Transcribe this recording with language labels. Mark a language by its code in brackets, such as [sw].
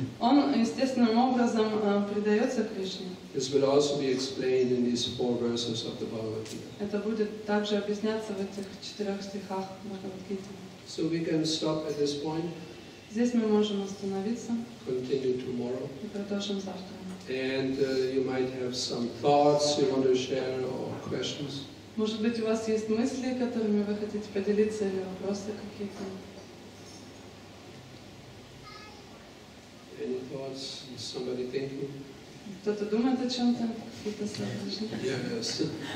[ru] Он естественным образом предается Кришне. [en] This will also be explained in these four verses of the Bhagavad Gita. [ru] Это будет также объясняться в этих четырех стихах Бхагавад Гиты. [en] So we can stop at this point. [ru] Здесь мы можем остановиться. [en] Continue tomorrow. [ru] И продолжим завтра. [en] And you might have some thoughts you want to share or questions. [ru] Может быть, у вас есть мысли, которыми вы хотите поделиться, или вопросы какие-то? [en] Any thoughts? Is somebody thinking? [ru] Кто-то думает о чем-то? Какие-то сомнения? [en] Yes.